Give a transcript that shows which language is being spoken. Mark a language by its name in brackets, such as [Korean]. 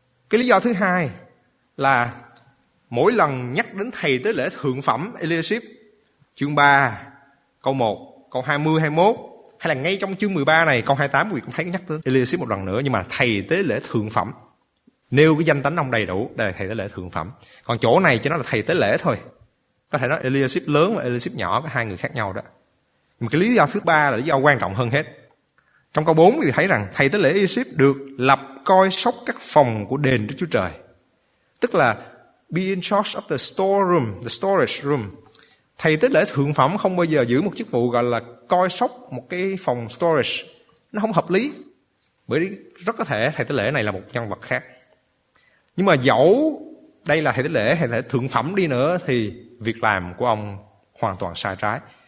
[Vietnamese] Cái lý do thứ hai là mỗi lần nhắc đến thầy tế lễ thượng phẩm Eliashib, chương 3, câu 1, câu 20, 21, hay là ngay trong chương 13 này, câu 28, quý vị cũng thấy nhắc tới Eliashib một lần nữa, nhưng mà thầy tế lễ thượng phẩm, nêu cái danh tánh ông đầy đủ, đây là thầy tế lễ thượng phẩm. Còn chỗ này cho nó là thầy tế lễ thôi. Có thể nói Eliashib lớn và Eliashib nhỏ, có hai người khác nhau đó. Nhưng cái lý do thứ ba là lý do quan trọng hơn hết. Trong câu 4 quý vị thấy rằng thầy tế lễ Eliashib được lập coi sóc các phòng của đền Đức Chúa Trời. Tức là [English] be in charge of the storeroom, the storage room. [Vietnamese] Thầy tế lễ thượng phẩm không bao giờ giữ một chức vụ gọi là coi sóc một cái phòng storage. Nó không hợp lý. Bởi vì rất có thể thầy tế lễ này là một nhân vật khác. Nhưng mà dẫu đây là thầy tế lễ hay là thượng phẩm đi nữa thì việc làm của ông hoàn toàn sai trái.